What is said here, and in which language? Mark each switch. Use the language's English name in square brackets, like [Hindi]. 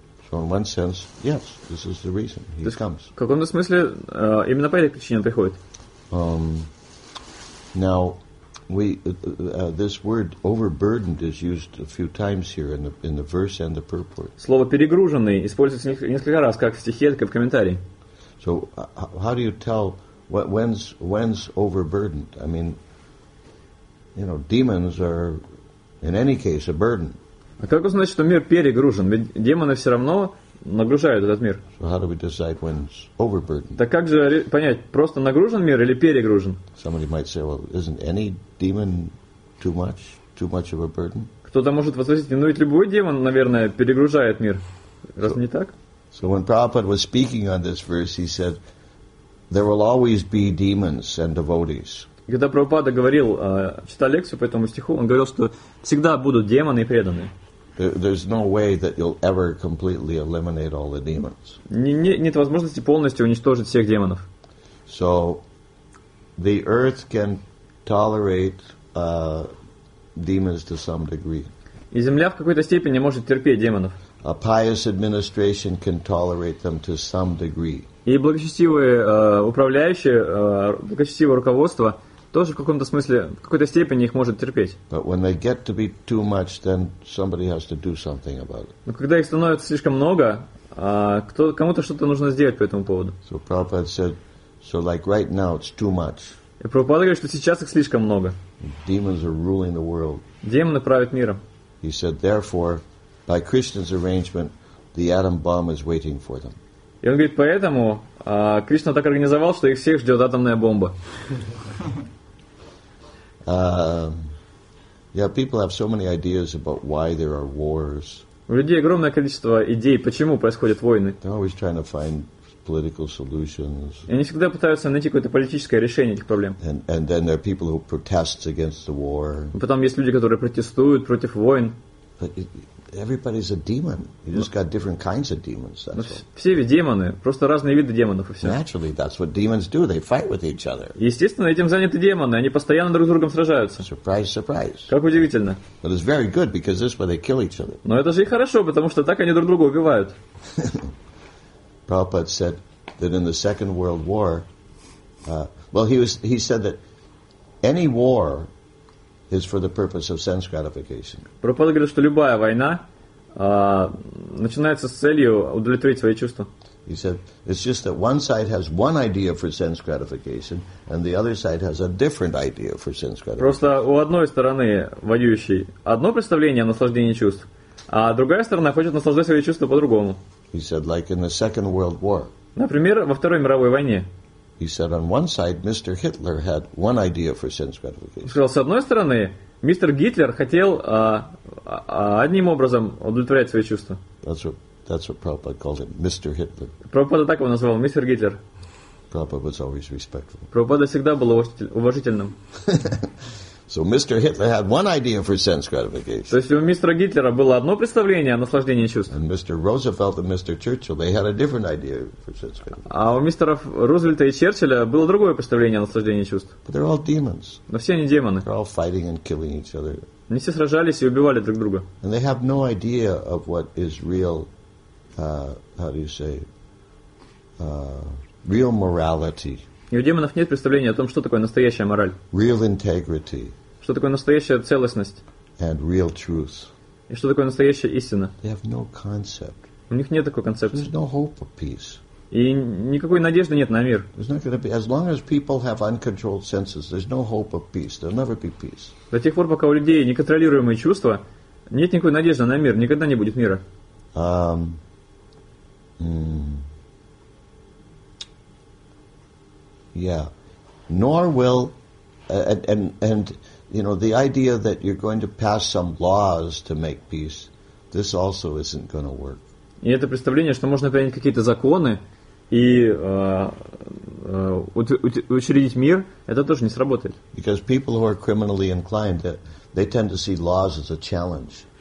[English] So in one sense, yes, this is the reason he comes. [Russian] В каком-то смысле именно по этой причине он приходит. [English] Now, this word overburdened is used a few times here in the verse and the purport. [Russian] Слово перегруженный используется несколько раз, как в стихе, так и в комментарии. [English] So how do you tell when's overburdened? I mean, you know, demons are in any case a burden. [Russian] А как узнать, что мир перегружен? Ведь демоны все равно нагружают этот мир. [English] So how do we decide when it's overburdened? [Russian] Так как же понять, просто нагружен мир или перегружен? [English] Somebody might say, well, isn't any demon too much of a burden? [Russian] Кто-то может возразить, ну ведь любой демон, наверное, перегружает мир. Разве не так? [English] So when Prabhupada was speaking on this verse, he said, there will always be demons and devotees. [Russian] Когда Прабхупада говорил, читал лекцию по этому стиху, он говорил, что всегда будут демоны и преданные. [English] There's no way that you'll ever completely eliminate all the demons. [Russian] Нет возможности полностью уничтожить всех демонов. [English] So the earth can tolerate demons to some degree. [Russian] И земля в какой-то степени может терпеть демонов. [English] A pious administration can tolerate them to some degree. [Russian] И благочестивые управляющие, благочестивое руководство тоже в каком-то смысле, в какой-то степени их может терпеть. Но когда их становится слишком много, кому-то что-то нужно сделать по этому поводу. [English] So Prabhupada said, so like right now it's too much. [Russian] И Прабхупада говорит, что сейчас их слишком много. [English] Demons are ruling the world. [Russian] Демоны правят миром. [English] He said, therefore, by Krishna's arrangement, the atom bomb is waiting for them. [Russian] И он говорит, поэтому Кришна так организовал, что их всех ждет атомная бомба. [English] Yeah, people have so many ideas about why there are wars. [Russian] У людей огромное количество идей, почему происходят войны. [English] They're always trying to find political solutions. [Russian] И они всегда пытаются найти какое-то политическое решение этих проблем. [English] And then there are people who protest against the war. [Russian] Потом есть люди, которые протестуют против войн. [English] But everybody's a demon. You just got different kinds of demons. [Russian] Все ведь демоны, просто разные виды демонов и все. [English] Naturally, that's what demons do. They fight with each other. [Russian] Естественно, этим заняты демоны. Они постоянно друг с другом сражаются. [English] Surprise, surprise. [Russian] Как удивительно. [English] But it's very good because this way they kill each other. [Russian] Но это же и хорошо, потому что так они друг друга убивают. [English] Prabhupada said that in the Second World War, he said that any war is for the purpose of sense gratification. [Russian] Прабхупада говорит, что любая война начинается с целью удовлетворить свои чувства. [English] He said, it's just that one side has one idea for sense gratification, and the other side has a different idea for sense gratification. [Russian] Просто у одной стороны воюющей одно представление о наслаждении чувств, а другая сторона хочет наслаждать свои чувства по-другому. [English] He said, like in the Second World War. [Russian] Например, во Второй мировой войне. [English] He said, on one side, Mr. Hitler had one idea for sense gratification. [Russian] Сказал, с одной стороны, мистер Гитлер хотел одним образом удовлетворять свои чувства. [English] That's what Prabhupada called him, Mr. Hitler. [Russian] Прабхупада так его назвал, мистер Гитлер. [English] Prabhupada was always respectful. [Russian] Прабхупада всегда был уважительным. [English] So Mr. Hitler had one idea for sense gratification. [Russian] То есть у мистера Гитлера было одно представление о наслаждении чувств. [English] And Mr. Roosevelt and Mr. Churchill, they had a different idea for sense gratification. [Russian] А у мистера Рузвельта и Черчилля было другое представление о наслаждении чувств. [English] But they're all demons. [Russian] Но все они демоны. [English] They're all fighting and killing each other. [Russian] Они все сражались и убивали друг друга. [English] And they have no idea of what is real, real morality. [Russian] И у демонов нет представления о том, что такое настоящая мораль. [English] Real integrity. [Russian] Что такое настоящая целостность. [English] And real truth. [Russian] И что такое настоящая истина. [English] They have no concept. [Russian] У них нет такой концепции. [English] There's no hope of peace. [Russian] И никакой надежды нет на мир. [English] There's not gonna be, as long as people have uncontrolled senses, there's no hope of peace. There'll never be peace. [Russian] До тех пор, пока у людей неконтролируемые чувства, нет никакой надежды на мир. Никогда не будет мира. [English] Yeah, nor will, and you know, the idea that you're going to pass some laws to make peace, this also isn't going to work. [Russian] И это представление, что можно принять какие-то законы и учредить мир, это тоже не сработает. [English] Because people who are criminally inclined, they tend to see laws as a challenge.